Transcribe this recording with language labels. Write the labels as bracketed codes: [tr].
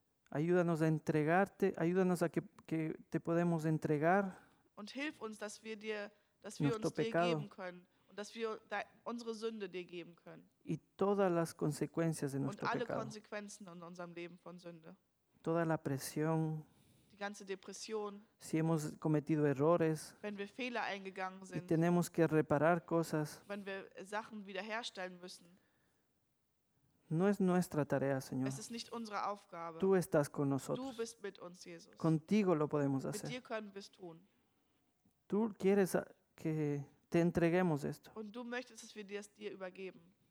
[es] Ayúdanos a entregarte, ayúdanos a que te podemos entregar. [de] Und hilf uns, dass wir uns dir [es] pecado. [de] Geben können und dass wir unsere Sünde dir geben können. [es] Y todas las consecuencias de nuestro pecado. [de] Und alle Konsequenzen in unserem Leben von Sünde. [es] Toda la presión. [de] Die ganze Depression. [es] Si hemos cometido errores. [de] Wenn wir Fehler eingegangen sind. [es] Y tenemos que reparar cosas. [de] Wenn wir Sachen wiederherstellen müssen. [es] No es nuestra tarea, Señor. [de] Es ist nicht unsere Aufgabe. [es] Tú estás con nosotros. [de] Du bist mit uns, Jesus. [es] Contigo lo podemos hacer. [de] Mit dir können wir es tun. [es] Tú quieres que te entreguemos esto. [de] Und du möchtest, dass wir es dir übergeben.